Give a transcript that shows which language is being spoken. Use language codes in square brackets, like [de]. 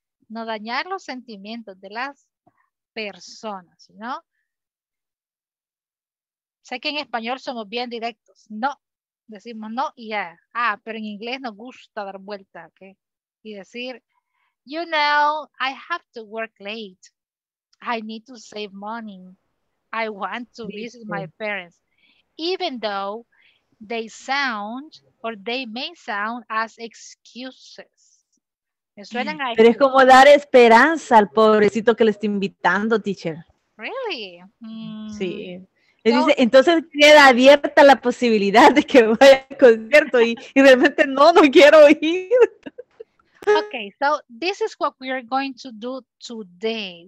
[es] No dañar los sentimientos de las personas, ¿no? Sé que en español somos bien directos. No, decimos no y ya. Ah, pero en inglés nos gusta dar vuelta, ¿ok? Y decir, [en] you know, I have to work late. I need to save money. I want to visit my parents. Even though they sound... or they may sound as excuses. [es] Me suenan a... Pero es como dar esperanza al pobrecito que le está invitando, teacher. [en] Really? [es] Sí. No. Dice, entonces queda abierta la posibilidad de que vaya al concierto y realmente no quiero ir. [en] Okay, so this is what we are going to do today.